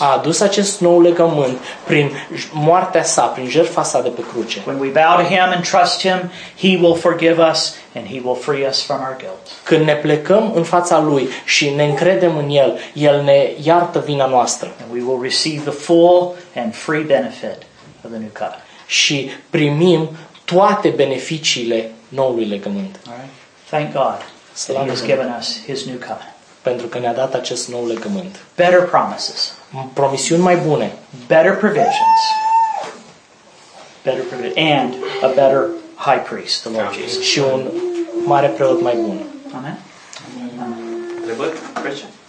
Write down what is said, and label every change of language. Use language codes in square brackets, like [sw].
[ro] A adus acest nou legământ prin moartea sa, prin jertfa sa de pe cruce. [en] When we bow to him and trust him, he will forgive us. And he will free us from our guilt. [ro] Când ne plecăm în fața lui și ne încredem în el, el ne iartă vina noastră. [en] And we will receive the full and free benefit of the new covenant. [ro] Și primim toate beneficiile noului legământ. [en] All right. Thank God. That he has given us his new covenant. [ro] Pentru că ne-a dat acest nou legământ. [en] Better promises. [ro] Promisiuni mai bune. [en] Better provisions. Better provisions and a better High Priest, the Lord Jesus. [ro] Și un mare preot mai bun. Amen. Întrebări? [en] Question?